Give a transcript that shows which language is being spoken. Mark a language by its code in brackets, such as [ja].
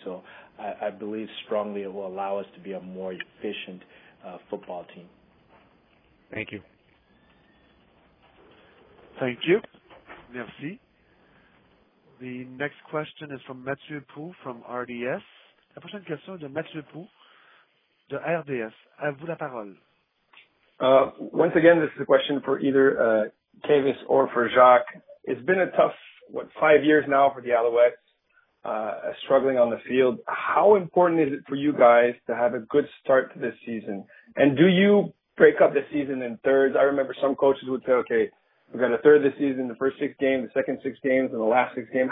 [en] So I believe strongly it will allow us to be a more efficient football team. Thank you. Thank you. Merci. The next question is from Mathieu Poux from RDS. [fr] La prochaine question est de Mathieu Poux de RDS. À vous la parole. [en] Once again, this is a question for either Kavis or for Jacques. It's been a tough 5 years now for the Alouettes, struggling on the field. How important is it for you guys to have a good start to this season? And do you break up the season in thirds? I remember some coaches would say, okay, we've got a third this season, the first six games, the second six games, and the last six games.